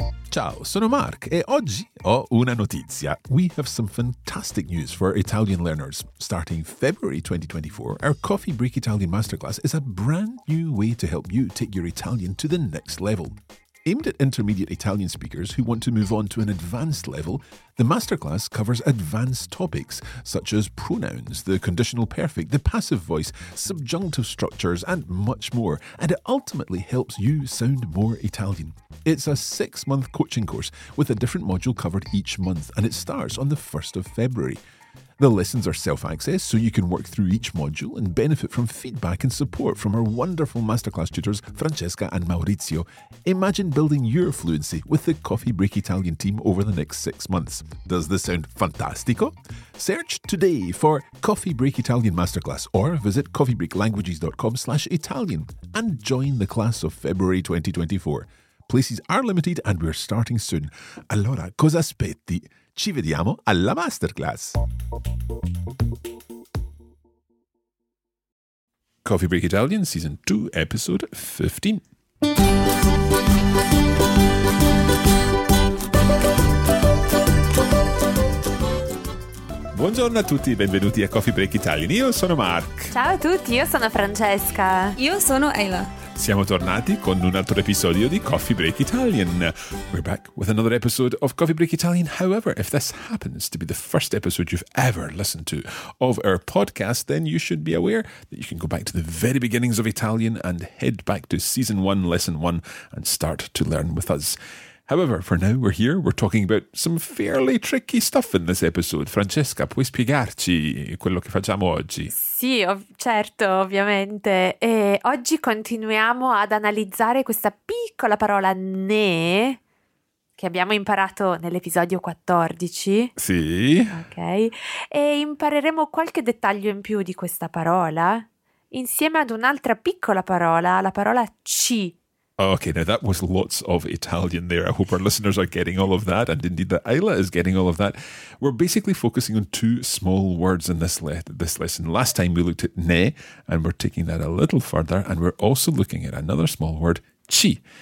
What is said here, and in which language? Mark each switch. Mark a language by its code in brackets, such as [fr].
[it] Ciao, sono Mark e oggi ho una notizia. [en] We have some fantastic news for Italian learners. Starting February 2024, our Coffee Break Italian Masterclass is a brand new way to help you take your Italian to the next level. Aimed at intermediate Italian speakers who want to move on to an advanced level, the masterclass covers advanced topics such as pronouns, the conditional perfect, the passive voice, subjunctive structures, and much more, and it ultimately helps you sound more Italian. It's a six-month coaching course with a different module covered each month, and it starts on the 1st of February. The lessons are self-access, so you can work through each module and benefit from feedback and support from our wonderful masterclass tutors, Francesca and Maurizio. Imagine building your fluency with the Coffee Break Italian team over the next 6 months. Does this sound fantastico? Search today for Coffee Break Italian Masterclass or visit coffeebreaklanguages.com/Italian and join the class of February 2024. Places are limited and we're starting soon. [it] Allora, cosa aspetti? Ci vediamo alla masterclass. [en] Coffee Break Italian, Season 2, Episode 15. [it] Buongiorno a tutti, benvenuti a Coffee Break Italian. Io sono Mark. Ciao a tutti, io sono Francesca. Io sono Ayla. Siamo tornati con un altro episodio di Coffee Break Italian. [en] We're back with another episode of Coffee Break Italian. However, if this happens to be the first episode you've ever listened to of our podcast, then you should be aware that you can go back to the very beginnings of Italian and head back to Season 1, Lesson 1, and start to learn with us. However, for now, we're here. We're talking about some fairly tricky stuff in this episode. [it] Francesca, puoi spiegarci quello che facciamo oggi? Sì, certo, ovviamente. E oggi continuiamo ad analizzare questa piccola parola ne, che abbiamo imparato nell'episodio 14. Sì. Ok. E impareremo qualche dettaglio in più di questa parola, insieme ad un'altra piccola parola, la parola ci. [en] Okay, now that was lots of Italian there. I hope our listeners are getting all of that, and indeed that Ayla is getting all of that. We're basically focusing on two small words in this lesson. Last time we looked at ne, and we're taking that a little further, and we're also looking at another small word, ci.